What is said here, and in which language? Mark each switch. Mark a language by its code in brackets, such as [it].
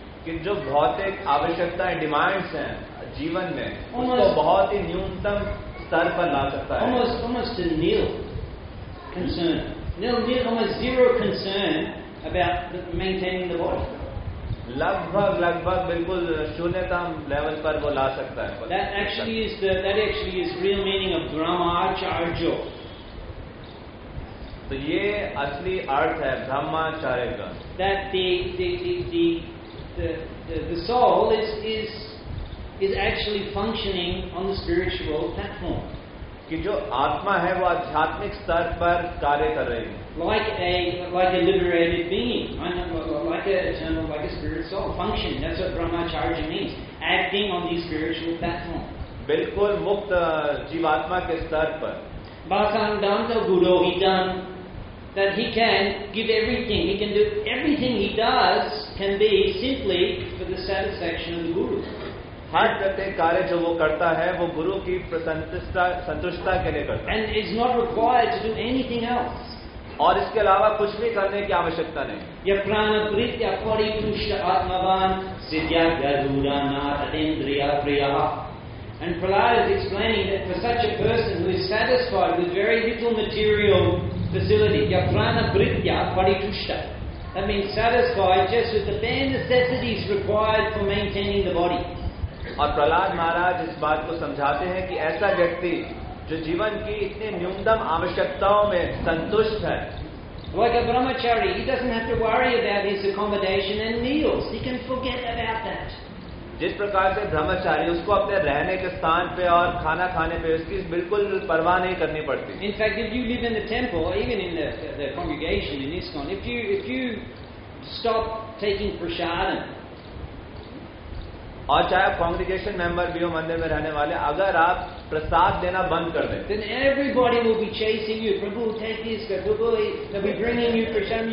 [hi] कि जो भौतिक आवश्यकताएं डिमांड्स हैं जीवन में almost, उसको बहुत ही न्यूनतम स्तर पर ला सकता है. [en] almost a nil concern. Nil, almost zero concern about maintaining the body. [hi] लगभग बिल्कुल शून्यतम लेवल पर वो ला सकता है. [en] That actually is real meaning of brahmacharya. [hi] तो ये असली अर्थ है ब्रह्मचार्य का. [en] That the soul is actually functioning on the spiritual platform. [hi] कि जो आत्मा है वो आध्यात्मिक स्तर पर कार्य कर रही है. [en] Like a liberated being, like a spirit soul functioning. That's what brahmacharya means, acting on the spiritual platform. [hi] बिल्कुल मुक्त जीवात्मा के स्तर पर. [sa] Vasandanta Gurohitam. [en] That he can give everything, he can do everything he does can be simply for the satisfaction of the guru. [hi] हर प्रत्येक कार्य जो वो करता है वो गुरु की संतुष्टता के लिए करता है. [en] And is not required to do anything else. [hi] और इसके अलावा कुछ भी करने की आवश्यकता नहीं. [sa] यह प्राण प्रीत्य परितुष्ट आत्मवान सिद्धिया गरुड़ा नाथ इंद्रिया प्रिया. [en] And Prahlada is explaining that for such a person who is satisfied with very little material facility, [sa] yaprana britya paritushta. [en] That means satisfied just with the bare necessities required for maintaining the body. [hi] और प्रहलाद महाराज इस बात को समझाते हैं कि ऐसा व्यक्ति जो जीवन की इतने न्यूनतम आवश्यकताओं में संतुष्ट है. [en] Like a brahmachari, he doesn't have to worry about his accommodation and meals. He can forget about that. [hi] जिस प्रकार से ब्रह्मचारी उसको अपने रहने के स्थान पे और खाना खाने पे उसकी बिल्कुल परवाह नहीं करनी पड़ती. [en] In fact, if you live in the temple, even in the congregation in ISKCON, if you stop taking prasadam, [hi] और चाहे आप कॉन्ग्रीगेशन मेंबर भी हो मंदिर में रहने वाले, अगर आप प्रसाद देना बंद कर दें, [en] then everybody will be chasing you. Prabhu, take this. Prabhu, they'll be bringing you prasadam.